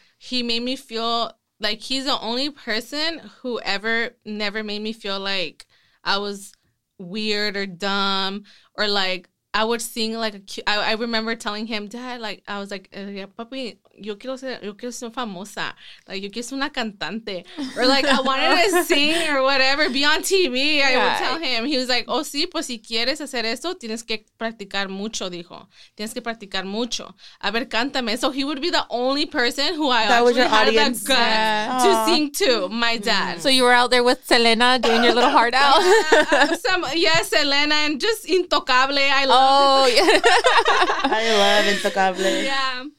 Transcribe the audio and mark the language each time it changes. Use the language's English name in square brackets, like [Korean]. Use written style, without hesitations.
[English] He made me feel like he's the only person who ever never made me feel like I was weird or dumb, or like I would sing like I remember telling him, Dad, like I was like, [Spanish] papi, yo quiero ser famosa, [English] like [Spanish] yo quiero ser una cantante, [English] or like I wanted to sing or whatever, be on TV. Yeah. I would tell him. He was like, [Spanish] oh sí, pues si quieres hacer esto, tienes que practicar mucho, dijo. Tienes que practicar mucho. A ver, cántame. [English] So he would be the only person who I that actually was had audience. The gut yeah. to Aww. Sing to. My dad. So you were out there with Selena doing your little heart out. Selena and just Intocable. I love Intocable. Yeah.